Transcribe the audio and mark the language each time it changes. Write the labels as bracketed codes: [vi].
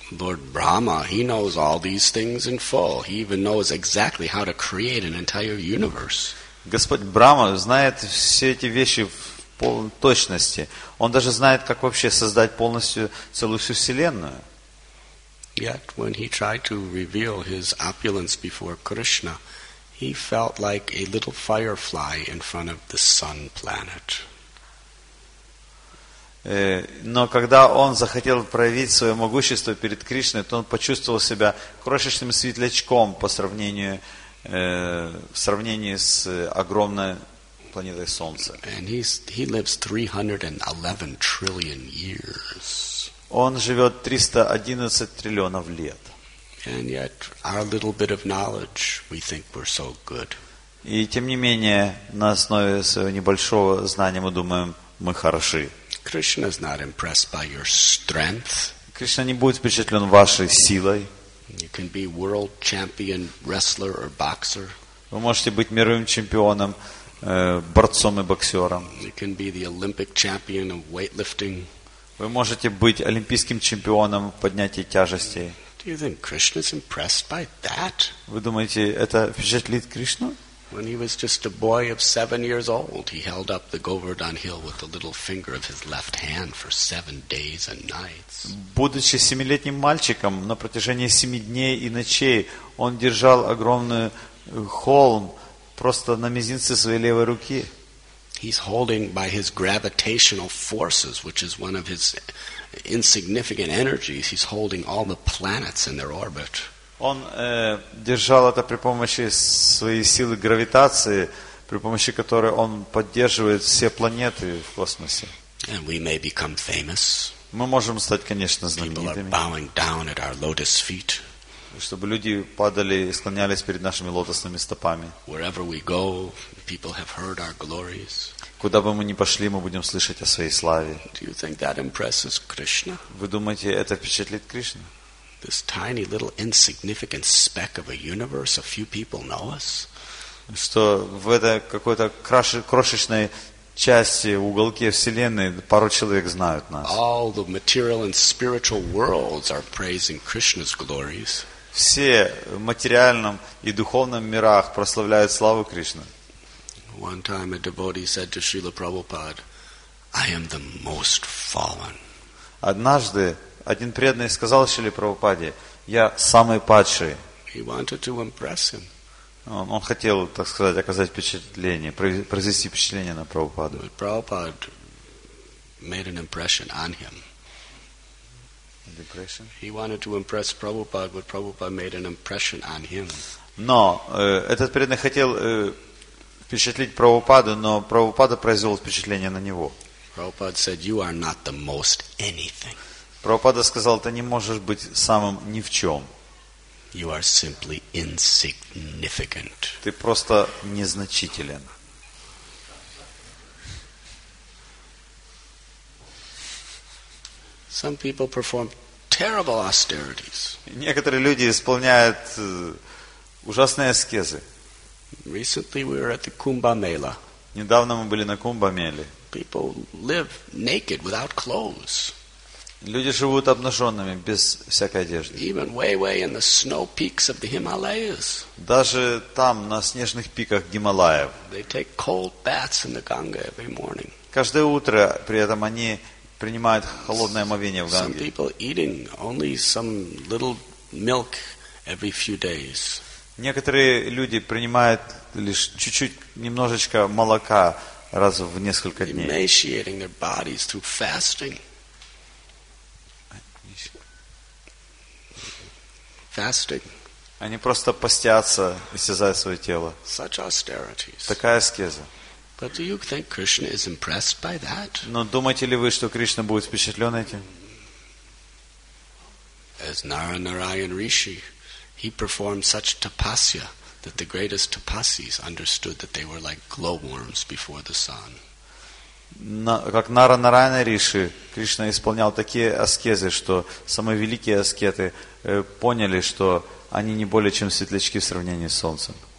[en] Lord Brahma, he knows all these things in full. He even knows exactly how to create an entire universe. [ru] Господь Брахма знает все эти вещи в полной точности. Он даже знает, как вообще создать полностью целую всю вселенную. [en] Yet when he tried to reveal his opulence before Krishna, he felt like a little firefly in front of the sun planet. [ru] Но когда он захотел проявить свое могущество перед Кришной, то он почувствовал себя крошечным светлячком по сравнению с огромной планетой Солнца. [en] And he lives 311 trillion years. [ru] Он живет 311 триллионов лет. [en] And yet, our little bit of knowledge, we think we're so good. [ru] И тем не менее, на основе своего небольшого знания мы думаем, мы хороши. [en] Krishna is not impressed by your strength. [ru] Кришна не будет впечатлен вашей силой. [en] You can be world champion wrestler or boxer. [ru] Вы можете быть мировым чемпионом, борцом и боксером. [en] You can be the Olympic champion of weightlifting. [ru] Вы можете быть олимпийским чемпионом поднятия тяжестей. [en] Do you think Krishna is impressed by that? [ru] Вы думаете, это впечатлит Кришну? [en] When he was just a boy of 7 years old, he held up the Govardhan Hill with the little finger of his left hand for 7 days and nights. [ru] Будучи 7-летним мальчиком, на протяжении 7 дней и ночей он держал огромный холм просто на мизинце своей левой руки. [en] He's holding by his gravitational forces, which is one of his insignificant energies. He's holding all the planets in their orbit. [ru] Он держал это при помощи своей силы гравитации, при помощи которой он поддерживает все планеты в космосе. [en] And we may become famous. [ru] Мы можем стать, конечно, знаменитыми. [en] People are bowing down at our lotus feet. [ru] Чтобы люди падали и склонялись перед нашими лотосными стопами. [en] Wherever we go, people have heard our glories. [ru] Куда бы мы ни пошли, мы будем слышать о своей славе. [en] Do you think that impresses Krishna? [ru] Вы думаете, это впечатлит Кришну? [en] This tiny little insignificant speck of a universe, a few people know us. [ru] Что в этой какой-то крошечной части, уголке Вселенной, пару человек знают нас. [en] All the material and spiritual worlds are praising Krishna's glories. [ru] Все в материальном и духовном мирах прославляют славу Кришны. [en] One time a devotee said to Srila Prabhupada, I am the most fallen. [ru] Однажды один преданный сказал Шриле Прабхупаде, я самый падший. [en] He wanted to impress him. [ru] Он хотел, так сказать, оказать впечатление, произвести впечатление на Прабхупаду. [en] But Prabhupada made an impression on him. Impression? He wanted to impress Prabhupada, but Prabhupada made an impression on him. [ru] Но этот преданный хотел впечатлить Прабхупаду, но Прабхупада произвел впечатление на него. [en] Prabhupada said, you are not the most anything. [ru] Прабхупада сказал, ты не можешь быть самым ни в чем. [en] You are simply insignificant. [ru] Ты просто незначителен. [en] Some people perform terrible austerities. [ru] Некоторые люди исполняют ужасные аскезы. [en] Recently we were at the Kumbh Mela. [ru] Недавно мы были на Кумбх Меле. [en] People live naked, without clothes. [ru] Люди живут обнаженными, без всякой одежды. [en] Even way in the snow peaks of the Himalayas. [ru] Даже там, на снежных пиках Гималаев. [en] They take cold baths in the Ganga every morning. [ru] Каждое утро при этом они принимают холодное омовение в Ганге. [en] Some people eating only some little milk every few days. [ru] Некоторые люди принимают лишь чуть-чуть, немножечко молока раз в несколько дней. [en] Emaciating their bodies through fasting. Fasting. [ru] Они просто постятся, истязают свое тело. [en] Such austerities. [ru] Такая аскеза. [en] But do you think Krishna is impressed by that? [ru] Но думаете ли вы, что Кришна будет впечатлен этим? [en] As Naranarayan Rishi, he performed such tapasya that the greatest tapasis understood that they were like glowworms before the sun. [ru] Как Наранарайана Риши, Кришна исполнял такие аскезы, что самые великие аскеты поняли, что они не более чем светлячки в сравнении с Солнцем.